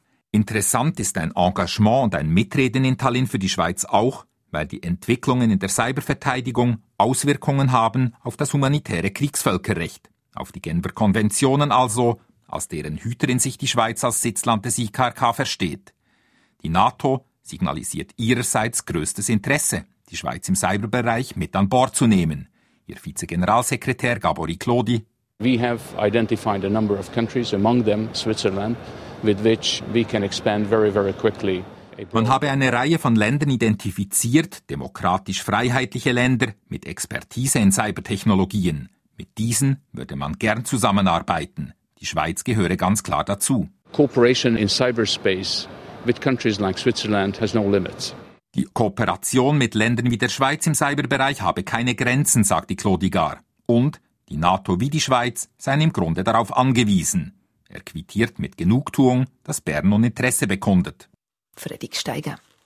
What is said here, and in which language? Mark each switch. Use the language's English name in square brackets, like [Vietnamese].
[German] Interessant ist ein Engagement und ein Mitreden in Tallinn für die Schweiz auch, weil die Entwicklungen in der Cyberverteidigung Auswirkungen haben auf das humanitäre Kriegsvölkerrecht, auf die Genfer Konventionen also, als deren Hüterin sich die Schweiz als Sitzland des IKRK versteht. Die NATO signalisiert ihrerseits größtes Interesse, die Schweiz im Cyberbereich mit an Bord zu nehmen. Ihr Vizegeneralsekretär Gabori Clodi: [English] We have identified a number of countries, among them Switzerland, with which we can expand very, very quickly. [German] Man habe eine Reihe von Ländern identifiziert, demokratisch-freiheitliche Länder mit Expertise in Cybertechnologien. Mit diesen würde man gern zusammenarbeiten. Die Schweiz gehöre ganz klar dazu. [English] Cooperation in cyberspace with countries like Switzerland has no limits. [German] Die Kooperation mit Ländern wie der Schweiz im Cyberbereich habe keine Grenzen, sagt die Clodigar. Und die NATO wie die Schweiz seien im Grunde darauf angewiesen. Er quittiert mit Genugtuung, dass Bern nun Interesse bekundet. Fredrik Steiger.